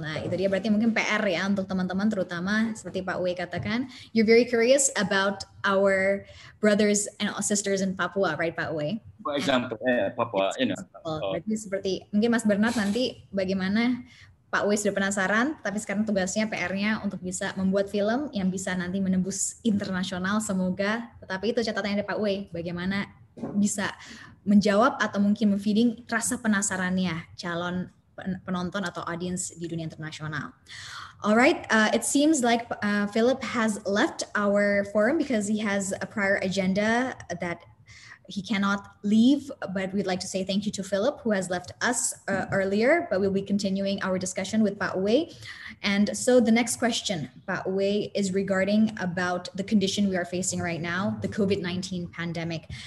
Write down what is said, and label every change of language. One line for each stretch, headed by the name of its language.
Indonesian: Nah, itu dia berarti mungkin PR ya untuk teman-teman, terutama seperti Pak Uwe katakan.
English: You're very curious about our brothers and sisters in Papua, right Pak Uwe? For example, Papua, you know.
Indonesian: Berarti seperti, mungkin Mas Bernard nanti bagaimana Pak Wei sudah penasaran, tapi sekarang tugasnya, PR-nya untuk bisa membuat film yang bisa nanti menembus internasional, semoga. Tetapi itu catatannya dari Pak Wei, bagaimana bisa menjawab atau mungkin memfeeding rasa penasarannya calon penonton atau audience di dunia internasional.
English: Alright, it seems like Philip has left our forum because he has a prior agenda that he cannot leave, but we'd like to say thank you to Philip who has left us earlier, but we'll be continuing our discussion with Pak Uwe. And so the next question, Pak Uwe, is regarding about the condition we are facing right now, the COVID-19 pandemic.